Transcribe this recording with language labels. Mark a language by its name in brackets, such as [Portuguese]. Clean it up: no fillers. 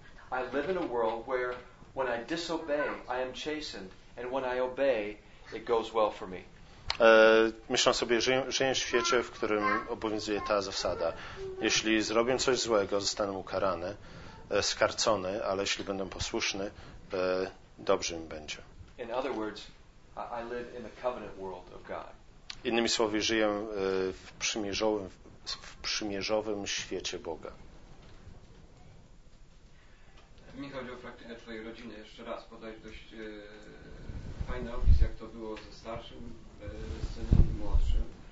[English] I live in a world where when I disobey, I am chastened, and when I obey, it goes well for me. [Polish] Myślę sobie, żyję w świecie, w którym obowiązuje ta zasada. Jeśli zrobię coś złego, zostanę ukarany, skarcony, ale jeśli będę posłuszny, dobrze mi będzie. [English] In other words, I live in the covenant world of God. [Polish] Innymi słowy, żyję w przymierzowym świecie Boga. Mi chodzi o praktykę Twojej rodziny. Jeszcze raz podaj dość fajny opis, jak to było ze starszym synem i młodszym.